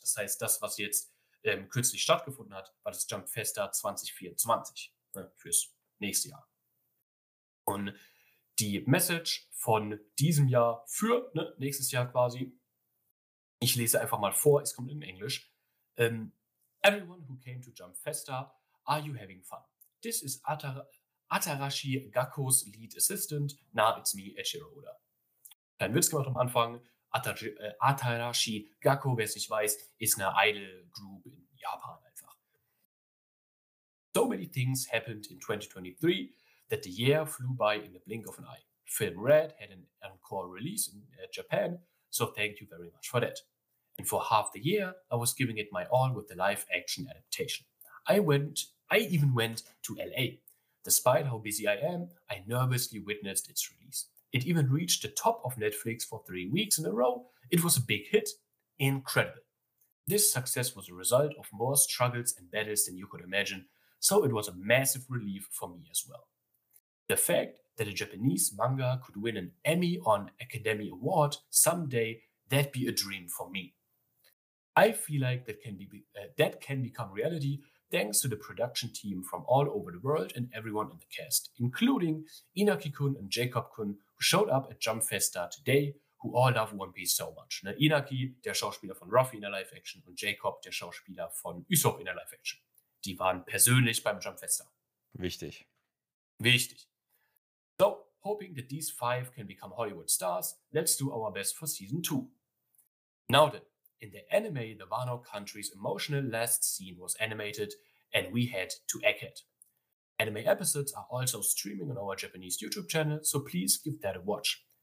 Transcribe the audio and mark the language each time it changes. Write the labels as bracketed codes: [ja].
[de] Das heißt, das, was jetzt kürzlich stattgefunden hat, war das Jump Festa 2024, ne, fürs nächste Jahr. Und die Message von diesem Jahr für nächstes Jahr quasi, ich lese einfach mal vor, es kommt in Englisch. [en] Everyone who came to Jump Festa, are you having fun? This is Atarashi Gakko's lead assistant. Now it's me, Eiichiro Oda. [de] Kein Witz gemacht am Anfang. Atarashi Gakko, wer es nicht weiß, ist eine Idol-Group in Japan einfach. [en] So many things happened in 2023 that the year flew by in the blink of an eye. Film Red had an encore release in Japan, so thank you very much for that. And for half the year, I was giving it my all with the live-action adaptation. I even went to LA. Despite how busy I am, I nervously witnessed its release. It even reached the top of Netflix for 3 weeks in a row. It was a big hit. Incredible. This success was a result of more struggles and battles than you could imagine, so it was a massive relief for me as well. The fact that a Japanese manga could win an Emmy on Academy Award someday, that'd be a dream for me. I feel like that can become reality thanks to the production team from all over the world and everyone in the cast, including Inaki-kun and Jacob-kun, who showed up at Jump Festa today, who all love One Piece so much. [de] Ne, Inaki, der Schauspieler von Ruffy in der Live-Action, und Jacob, der Schauspieler von Usopp in der Live-Action. Die waren persönlich beim Jump Festa. Wichtig. Wichtig. [en] So, hoping that these five can become Hollywood stars, let's do our best for season 2. Now then, in the anime, the Wano Country's emotional last scene was animated, and we had to act it. Anime episodes are also streaming on our Japanese YouTube channel, so please give that a watch.